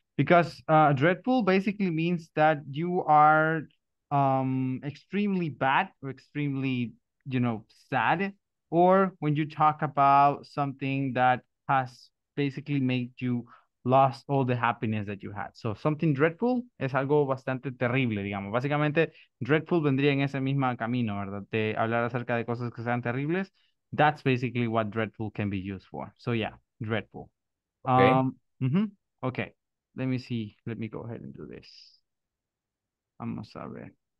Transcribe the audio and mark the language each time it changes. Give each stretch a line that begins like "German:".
English: Because dreadful basically means that you are extremely bad or extremely, you know, sad. Or when you talk about something that has basically made you lost all the happiness that you had. So something
Spanish: dreadful es algo bastante terrible, digamos. Básicamente, dreadful vendría en ese mismo camino, ¿verdad? De hablar acerca de cosas que sean terribles.
English: That's basically what dreadful can be used for. So yeah, dreadful. Okay. Okay. Let me see. Let me go ahead and do this.
Spanish: Vamos a ver.